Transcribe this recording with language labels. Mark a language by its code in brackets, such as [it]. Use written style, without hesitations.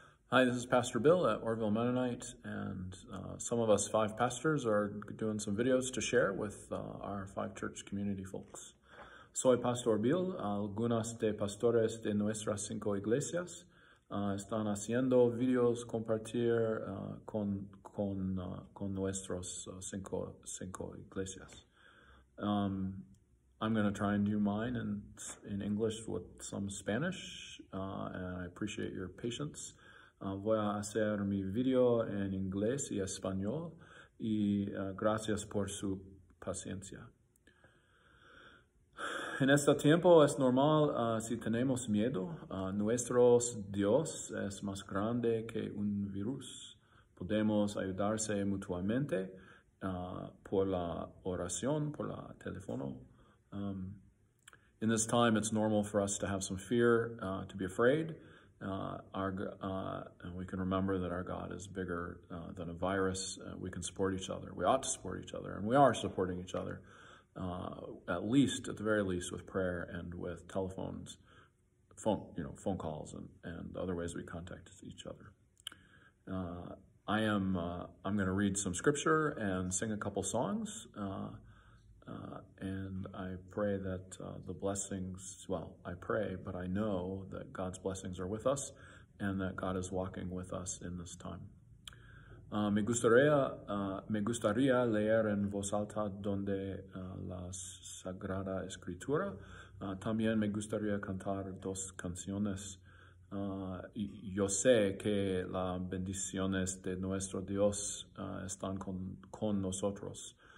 [en] Hi, this is Pastor Bill at Orrville Mennonite, and some of us five pastors are doing some videos to share with our five church community folks. [es] Soy Pastor Bill, algunas de pastores de nuestras cinco iglesias están haciendo videos compartir con nuestros cinco iglesias. [en] I'm going to try and do mine in English with some Spanish, and I appreciate your patience. [es] Voy a hacer mi video en inglés y español, y gracias por su paciencia. En este tiempo es normal si tenemos miedo. Nuestro Dios es más grande que un virus. Podemos ayudarse mutuamente por la oración, por la teléfono. [en] In this time, it's normal for us to have some fear, to be afraid. And we can remember that our God is bigger than a virus. We can support each other. We ought to support each other, and we are supporting each other, at the very least, with prayer and with telephones, phone calls, and other ways we contact each other. I'm going to read some scripture and sing a couple songs, and I pray that I know that God's blessings are with us and that God is walking with us in this time. [es] Me gustaría leer en voz alta donde la Sagrada Escritura. También me gustaría cantar dos canciones. Yo sé que las bendiciones de nuestro Dios están con nosotros.